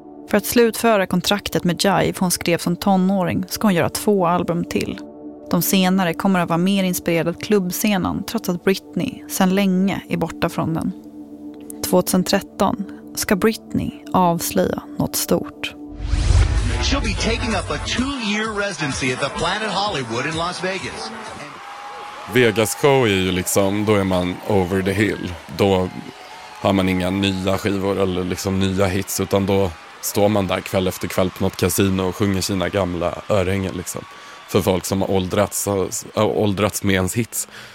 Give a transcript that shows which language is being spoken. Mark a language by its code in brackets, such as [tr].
[sv] För att slutföra kontraktet med Jive hon skrev som tonåring ska hon göra 2 album till. De senare kommer att vara mer inspirerade av klubbscenen trots att Britney sedan länge är borta från den. 2013 ska Britney avslöja något stort. [en] She'll be taking up a 2-year residency at the Planet Hollywood in Las Vegas. [sv] Vegas show är ju liksom, då är man [en] over the hill. [sv] Då har man inga nya skivor eller liksom nya hits, utan då står man där kväll efter kväll på något kasino och sjunger sina gamla örhängen liksom. För folk som har åldrats med ens hits.